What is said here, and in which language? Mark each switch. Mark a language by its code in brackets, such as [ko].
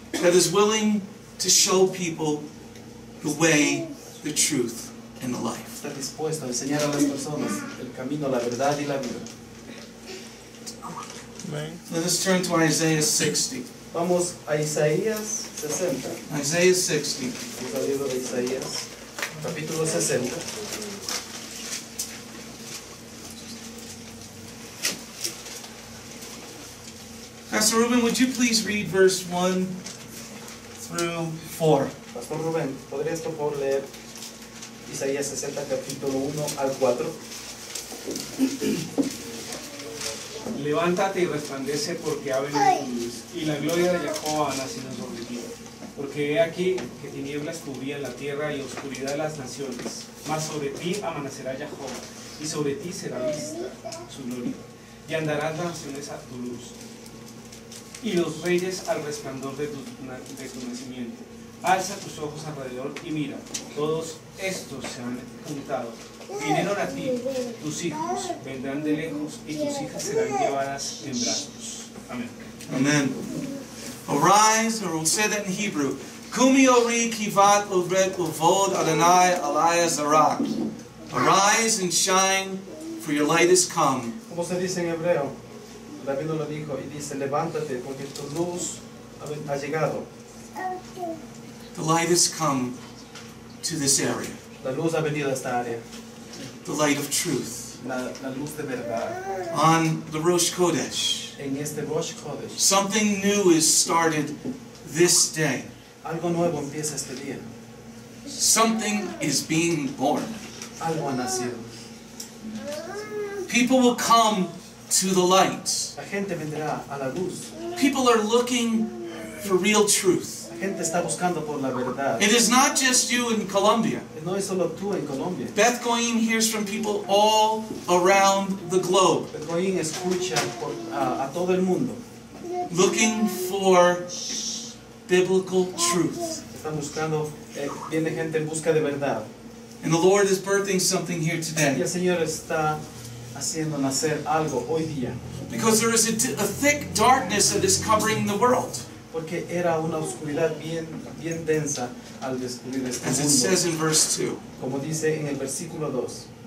[en] That is willing to show people the way, the truth, and the life. [es] Está dispuesto a enseñar a las personas el camino, la verdad y la vida. [en] Amen. Let us turn to Isaiah 60. [es] Vamos a Isaías 60. [en] Isaiah 60. [es] Libro de Isaías, capítulo 60. [en] Pastor Ruben, would you please read verse 1 through 4? [es] Pastor Ruben, ¿podrías por favor leer Isaías 60, capítulo 1 al 4? Levántate y resplandece porque ha venido tu luz, y la gloria de Jacob ha nacido sobre ti. Porque he aquí que tinieblas cubrían la tierra y oscuridad las naciones, mas sobre ti amanecerá Jacob, y sobre ti será vista su gloria, y andarán las naciones a tu luz, y los reyes al resplandor de tu nacimiento. Alza tus ojos alrededor y mira, todos estos se han juntado. Vinieron a ti, tus hijos vendrán de lejos y tus hijas serán llevadas en brazos. Amén. [en] Amén. Arise, or we'll say that in Hebrew, [he] Kumi ori kivat ovret uvod Adonai alaya zarak. [en] Arise and shine, for your light is come. [es] Como se dice en hebreo, David lo dijo y dice, levántate porque tu luz ha llegado. [en] The light has come to this area. [es] La luz ha venido a esta área. [en] The light of truth. [es] La luz de verdad. [en] On the Rosh Kodesh. [es] En este Rosh Kodesh. [en] Something new is started this day. [es] Algo nuevo empieza este día. [en] Something is being born. [es] Algo ha nacido. [en] People will come to the light. [es] La gente vendrá a la luz. [en] People are looking for real truth. [es] Gente está buscando por la verdad. [en] It is not just you in Colombia. [es] No es solo tú en Colombia. [en] Beth Goyim hears from people all around the globe. [es] Beth Goyim escucha a todo el mundo. [en] Looking for biblical truth. [es] Están buscando, viene gente en busca de verdad. [en] And the Lord is birthing something here today. [es] Y el Señor está haciendo nacer algo hoy día. [en] Because there is a thick darkness that is covering the world. [es] Porque era una oscuridad bien, bien densa al descubrir este [en] mundo. As it says in verse 2. [es] Como dice en el versículo 2.